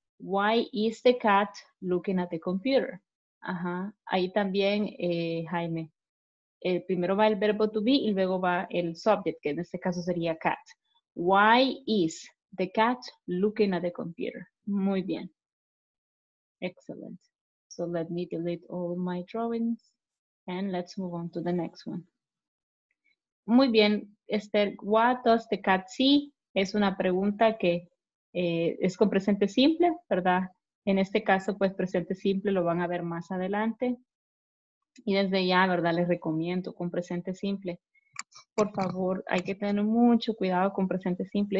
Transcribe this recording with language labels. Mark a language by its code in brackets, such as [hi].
[en] Why is the cat looking at the computer? [es] Ajá, ahí también, Jaime. Primero va el verbo to be y luego va el subject, que en este caso sería cat. [en] Why is the cat looking at the computer? [es] Muy bien. [en] Excellent. So let me delete all my drawings and let's move on to the next one. [es] Muy bien, Esther. [en] What does the cat see? [es] Es una pregunta que es con presente simple, ¿verdad? En este caso, pues presente simple lo van a ver más adelante. Y desde ya, ¿verdad? Les recomiendo con presente simple. Por favor, hay que tener mucho cuidado con presente simple.